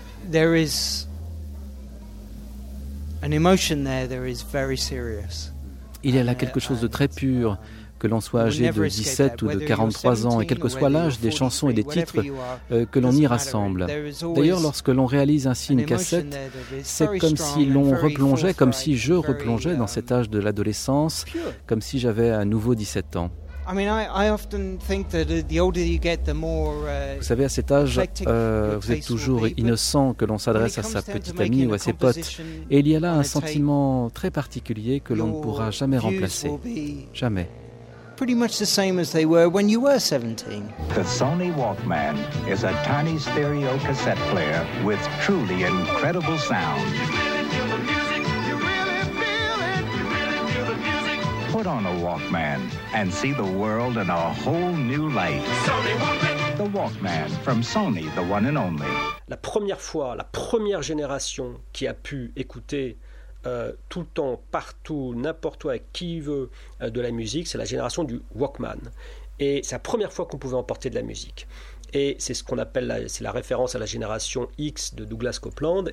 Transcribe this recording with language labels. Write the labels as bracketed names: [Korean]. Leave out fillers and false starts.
[English] There is an emotion there that is very serious. [French] Il y a là quelque chose de très pur. Que l'on soit âgé de 17 ou de 43 ans, et quel que soit l'âge des chansons et des titres que l'on y rassemble. D'ailleurs, lorsque l'on réalise ainsi une cassette, c'est comme si l'on replongeait, comme si je replongeais dans cet âge de l'adolescence, comme si j'avais à nouveau 17 ans. Vous savez, à cet âge, vous êtes toujours innocent que l'on s'adresse à sa petite amie ou à ses potes. Et il y a là un sentiment très particulier que l'on ne pourra jamais remplacer. Jamais. [English] Pretty much the same as they were when you were 17. The Sony Walkman is a tiny stereo cassette player with truly incredible sound. Put on a Walkman and see the world in a whole new light. Sony Walkman. The Walkman from Sony, the one and only. [French] La première fois, la première génération qui a pu écouter tout le temps, partout, n'importe où, avec qui veut de la musique, c'est la génération du Walkman. Et c'est la première fois qu'on pouvait emporter de la musique. Et c'est ce qu'on appelle, c'est la référence à la génération X de Douglas Copeland.